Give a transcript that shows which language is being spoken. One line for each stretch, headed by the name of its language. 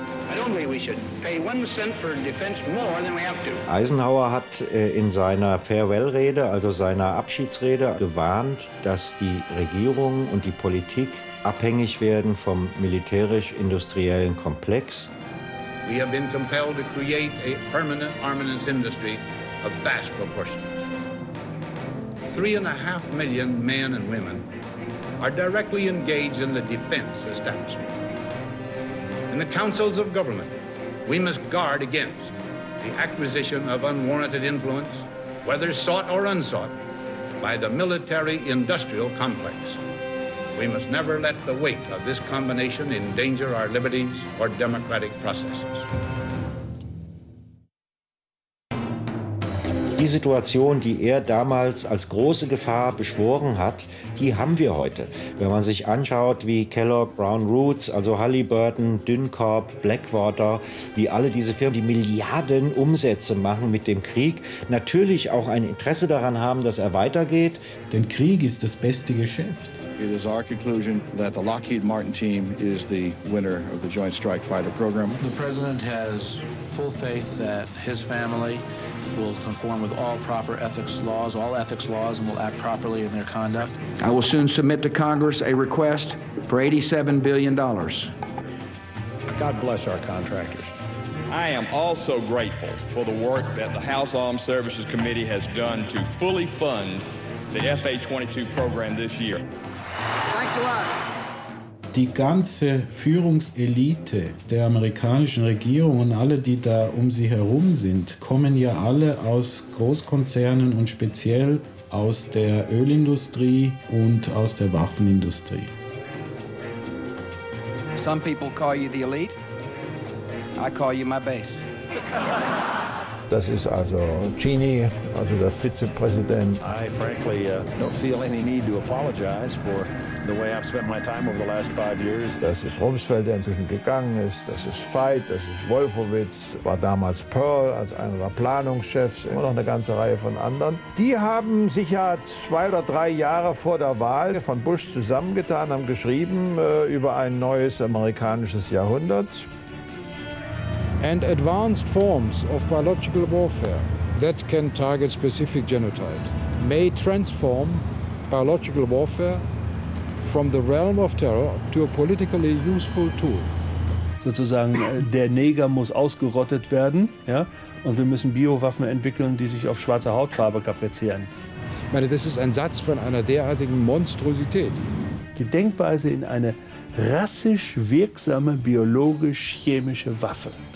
English: I don't think we should pay 1 cent for defense more than we have to.
German: Eisenhower hat in seiner Farewell-Rede, also seiner Abschiedsrede, gewarnt, dass die Regierung und die Politik abhängig werden vom militärisch-industriellen Komplex.
English: We have been compelled to create a permanent armaments industry of vast proportions. 3.5 million men and women are directly engaged in the defense establishment. In the councils of government, we must guard against the acquisition of unwarranted influence, whether sought or unsought, by the military-industrial complex. We must never let the weight of this combination endanger our liberties or democratic processes.
German: Die Situation, die damals als große Gefahr beschworen hat, die haben wir heute. Wenn man sich anschaut, wie Kellogg, Brown Roots, also Halliburton, Dyncorp, Blackwater, wie alle diese Firmen, die Milliarden Umsätze machen mit dem Krieg, natürlich auch ein Interesse daran haben, dass er weitergeht. Denn Krieg ist das beste Geschäft.
English: It is our conclusion that the Lockheed Martin team is the winner of the Joint Strike Fighter program. The president has full faith that his family will conform with all proper ethics laws, and will act properly in their conduct. I will soon submit to Congress a request for $87 billion. God bless our contractors. I am also grateful for the work that the House Armed Services Committee has done to fully fund the FA-22 program this year. Thanks a lot.
German: Die ganze Führungselite der amerikanischen Regierung und alle, die da um sie herum sind, kommen ja alle aus Großkonzernen und speziell aus der Ölindustrie und aus der Waffenindustrie.
English: Some people call you the elite. I call you my base.
German: Das ist also Cheney, also der Vizepräsident.
English: I frankly don't feel any need to apologize for the way I've spent my time over the last 5 years.
German: Das ist Rumsfeld, der inzwischen gegangen ist. Das ist Veit, das ist Wolfowitz, war damals Pearl als einer der Planungschefs. Immer noch eine ganze Reihe von anderen. Die haben sich ja 2 oder 3 Jahre vor der Wahl von Bush zusammengetan, haben geschrieben über ein neues amerikanisches Jahrhundert.
English: And advanced forms of biological warfare that can target specific genotypes may transform biological warfare from the realm of terror to a politically useful tool.
German: Sozusagen, der Neger muss ausgerottet werden, ja? Und wir müssen Biowaffen entwickeln, die sich auf schwarze Hautfarbe kaprizieren. Ich meine, das ist ein Satz von einer derartigen Monstrosität. Die Denkweise in eine rassisch wirksame biologisch-chemische Waffe.